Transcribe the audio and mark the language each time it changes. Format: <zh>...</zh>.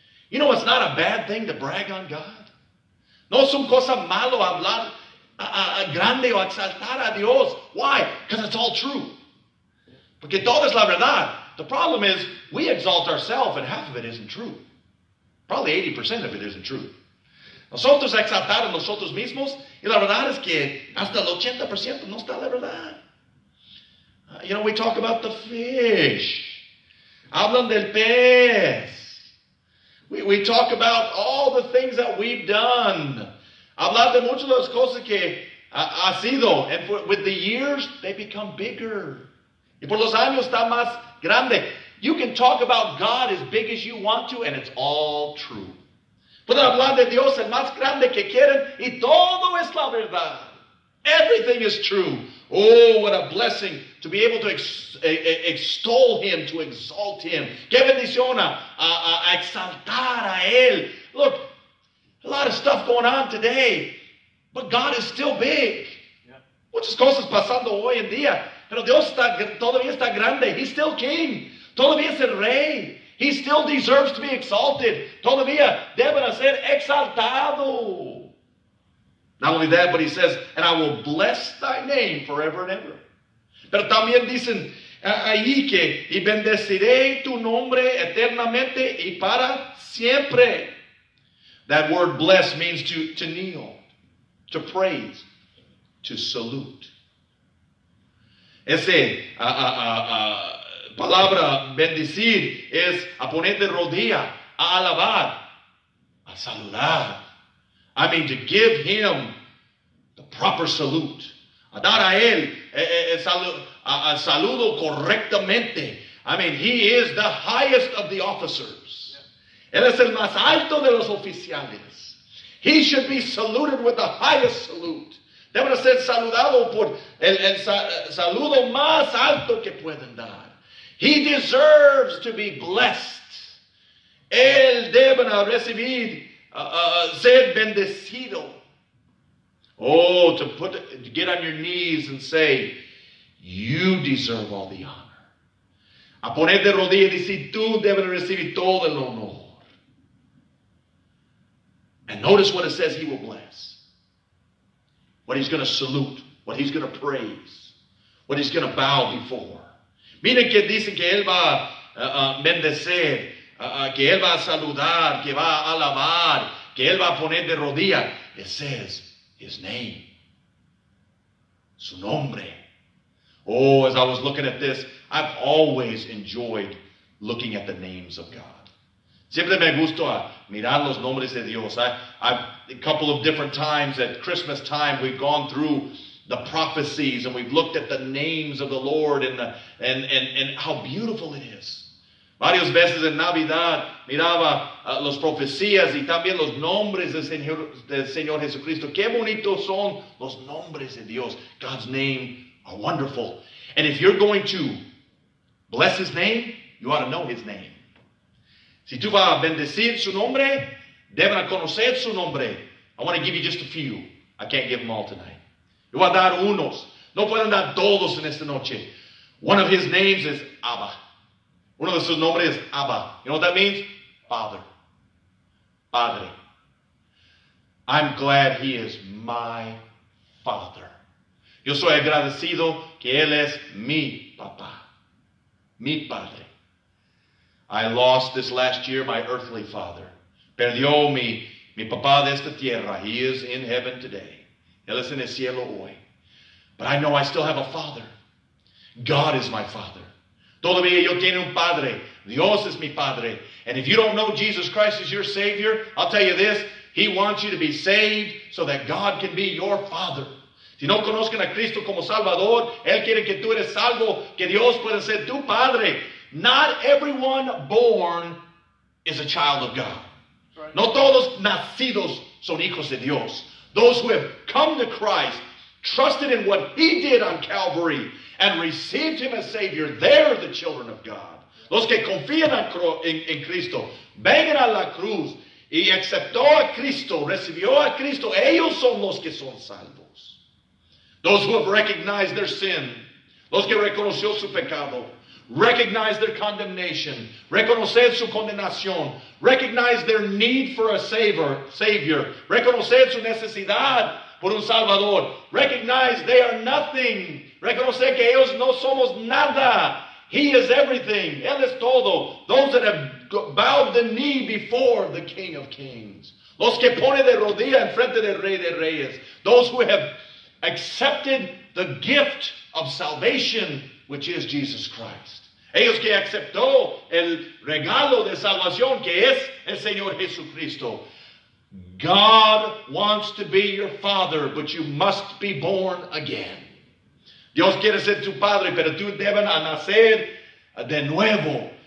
<en>You know, it's not a bad thing to brag on God.</en> <es>No es un cosa malo hablar grande o exaltar a Dios.</es> <en>Why? Because it's all true.</en> <es>Porque todo es la verdad.</es> <en>The problem is, we exalt ourselves and half of it isn't true. Probably 80% of it isn't true.</en> <es>Nosotros exaltamos nosotros mismos y la verdad es que hasta el 80% no está la verdad.</es> <en>You know, we talk about the fish.</en> <es>Hablan del pez.</es> <en>We talk about all the things that we've done.</en> <es>Hablan de muchas de las cosas que ha sido.</es> <en>And with the years, they become bigger.</en> <es>Y por los años está más grande.</es> <en>You can talk about God as big as you want to, and it's all true.</en> <es>Pueden hablar de Dios el más grande que quieren, y todo es la verdad.</es> <en>Everything is true. Oh, what a blessing to be able to extol Him, to exalt Him.</en> <es>Qué bendición a exaltar a Él.</es> <en>Look, a lot of stuff going on today, but God is still big. Yeah.</en> <es>Muchas cosas pasando hoy en día. Pero Dios todavía está grande.</es> <en>He's still king.</en> <es>Todavía es el rey.</es> <en>He still deserves to be exalted.</en> <es>Todavía deben ser exaltado.</es> <en>Not only that, but he says, and I will bless thy name forever and ever.</en> <es>Pero también dicen ahí que, y bendeciré tu nombre eternamente y para siempre.</es> <en>That word bless means to kneel, to praise, to salute.</en> <es>Ese palabra bendecir es a poner de rodilla, a alabar, a saludar.</es> <en>I mean, to give Him the proper salute.</en> <es>A dar a Él el saludo correctamente.</es> <en>I mean, He is the highest of the officers.</en> <es>Él es el más alto de los oficiales.</es> <en>He should be saluted with the highest salute.</en> <es>Deben ser saludados por el saludo más alto que pueden dar.</es> <en>He deserves to be blessed.</en> <es>Él debe recibir, ser bendecido.</es> <en>Oh, to get on your knees and say, you deserve all the honor.</en> <es>A poner de rodillas y decir, tú debes recibir todo el honor.</es> <en>And notice what it says he will bless. What he's going to salute, what he's going to praise, what he's going to bow before.</en> <es>Miren que dice que él va a bendecir, que él va a saludar, que va a alabar, que él va a poner de rodillas.</es> <en>It says, his name,</en> <es>su nombre.</es> <en>Oh, as I was looking at this, I've always enjoyed looking at the names of God.</en> <es>Siempre me gustó mirar los nombres de Dios.</es> <en>A couple of different times at Christmas time, we've gone through the prophecies and we've looked at the names of the Lord and how beautiful it is.</en> <es>Varios veces en Navidad miraba los profecías y también los nombres del Señor Jesucristo. Qué bonitos son los nombres de Dios.</es> <en>God's name are wonderful. And if you're going to bless his name, you ought to know his name.</en> <es>Si tú vas a bendecir su nombre, deben conocer su nombre.</es> <en>I want to give you just a few. I can't give them all tonight.</en> <es>Yo voy a dar unos. No pueden dar todos en esta noche.</es> <en>One of his names is Abba.</en> <es>Uno de sus nombres es Abba.</es> <en>You know what that means? Father. Padre. I'm glad he is my father.</en> <es>Yo soy agradecido que él es mi papá. Mi padre.</es> <en>I lost this last year my earthly father.</en> <es>Perdió mi papá de esta tierra.</es> <en>He is in heaven today.</en> <es>Él es en el cielo hoy.</es> <en>But I know I still have a father. God is my father.</en> <es>Todavía yo tengo un padre. Dios es mi padre.</es> <en>And if you don't know Jesus Christ as your Savior, I'll tell you this. He wants you to be saved so that God can be your father.</en> <es>Si no conozcan a Cristo como Salvador, Él quiere que tú eres salvo, que Dios puede ser tu padre.</es> <en>Not everyone born is a child of God. Right.</en> <es>No todos nacidos son hijos de Dios.</es> <en>Those who have come to Christ, trusted in what he did on Calvary and received him as Savior, they're the children of God.</en> <es>Los que confían en Cristo, vengan a la cruz y aceptó a Cristo, recibió a Cristo, ellos son los que son salvos.</es> <en>Those who have recognized their sin,</en> <es>los que reconoció su pecado,</es> <en>recognize their condemnation,</en> <es>reconocer su condenación,</es> <en>recognize their need for a Savior,</en> <es>reconocer su necesidad por un Salvador.</es> <en>Recognize they are nothing.</en> <es>Reconoce que ellos no somos nada.</es> <en>He is everything.</en> <es>Él es todo.</es> <en>Those that have bowed the knee before the King of Kings.</en> <es>Los que pone de rodilla en frente del Rey de Reyes.</es> <en>Those who have accepted the gift of salvation, which is Jesus Christ.</en> <es>Ellos que aceptó el regalo de salvación, que es el Señor Jesucristo.</es> <en>God wants to be your father, but you must be born again.</en> <es>Dios quiere ser tu padre, pero tú debes nacer de nuevo.</es>